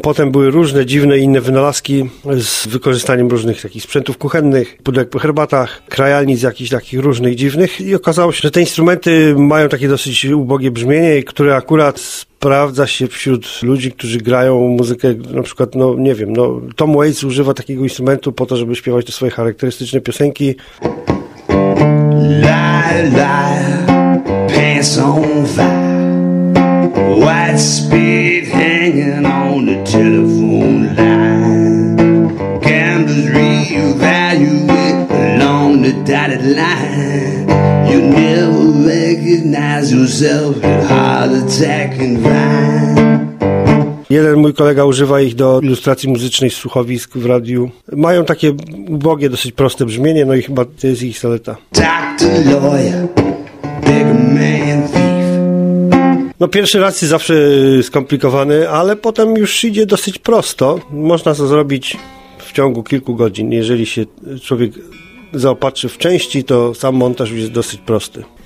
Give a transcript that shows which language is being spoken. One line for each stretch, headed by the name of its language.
Polish: Potem były różne dziwne inne wynalazki z wykorzystaniem różnych takich sprzętów kuchennych, pudełek po herbatach, krajalnic jakichś takich różnych dziwnych. I okazało się, że te instrumenty mają takie dosyć ubogie brzmienie, które akurat sprawdza się wśród ludzi, którzy grają muzykę, na przykład, no nie wiem, no Tom Waits używa takiego instrumentu po to, żeby śpiewać te swoje charakterystyczne piosenki.
English: La, la, pants on fire, white speed hanging on the telephone line, gamblers reevaluate along the dotted line. You never recognize yourself in heart attack and vine.
Polish: Jeden mój kolega używa ich do ilustracji muzycznej słuchowisk w radiu. Mają takie ubogie, dosyć proste brzmienie, no i chyba to jest ich zaleta.
English: Doctor, lawyer, big man, thief.
Polish: No pierwszy raz jest zawsze skomplikowany, ale potem już idzie dosyć prosto. Można to zrobić w ciągu kilku godzin, jeżeli się człowiek zaopatrzy w części, to sam montaż już jest dosyć prosty.